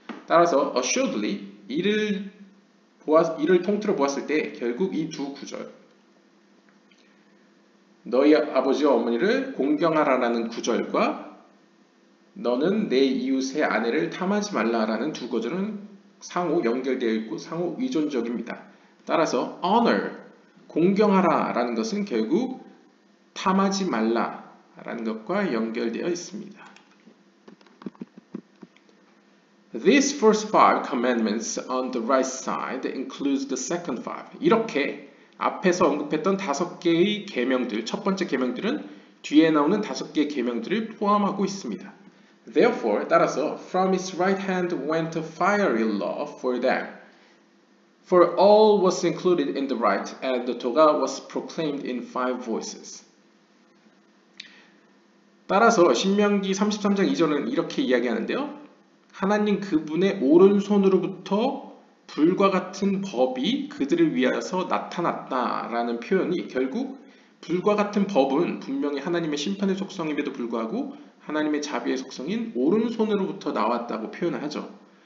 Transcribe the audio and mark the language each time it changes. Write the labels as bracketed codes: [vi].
[ko] 따라서 [en] assuredly [ko] 이를 통틀어 보았을 때 결국 이 두 구절 너희 아버지와 어머니를 공경하라라는 구절과 너는 내 이웃의 아내를 탐하지 말라라는 두 구절은 상호 연결되어 있고 상호 의존적입니다. 따라서 [en] honor [ko] 공경하라라는 것은 결국 탐하지 말라라는 것과 연결되어 있습니다. [en] These first five commandments on the right side includes the second five. [ko] 이렇게 앞에서 언급했던 다섯 개의 계명들, 첫 번째 계명들은 뒤에 나오는 다섯 개의 계명들을 포함하고 있습니다. [en] Therefore, [ko] 따라서 [en] from his right hand went a fiery law for them. For all was included in the right, and the Torah was proclaimed in five voices. [ko] 따라서 신명기 33장 2절은 이렇게 이야기하는데요. 하나님 그분의 오른손으로부터 불과 같은 법이 그들을 위하여서 나타났다라는 표현이 결국 불과 같은 법은 분명히 하나님의 심판의 속성임에도 불구하고 하나님의 자비의 속성인 오른손으로부터 나왔다고 표현을 하죠.